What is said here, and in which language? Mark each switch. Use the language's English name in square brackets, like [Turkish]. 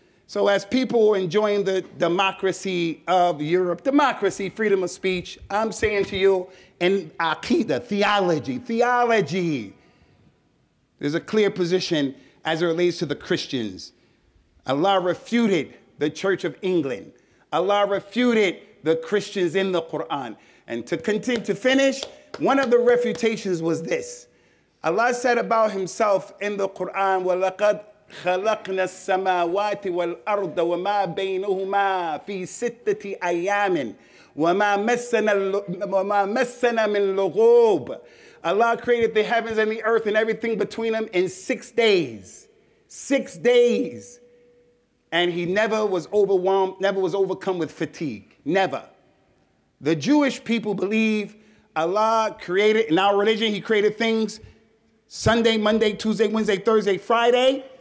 [English] So as people are enjoying the democracy of Europe, democracy, freedom of speech, I'm saying to you, in aqidah, theology, there's a clear position as it relates to the Christians. Allah refuted the Church of England. Allah refuted the Christians in the Quran. And to continue to finish, one of the refutations was this. Allah said about himself in the Quran, [Arabic] وَلَقَدْ خَلَقْنَا السَّمَاوَاتِ وَالْأَرْضَ وَمَا بَيْنُهُمَا فِي سِتَّةِ أَيَّامٍ وَمَا مَسَّنَا مِنْ لُغُوبٍ. [English] Allah created the heavens and the earth and everything between them in 6 days. 6 days. And he never was overwhelmed, never was overcome with fatigue. Never. The Jewish people believe Allah created, in our religion, he created things Sunday, Monday, Tuesday, Wednesday, Thursday, Friday.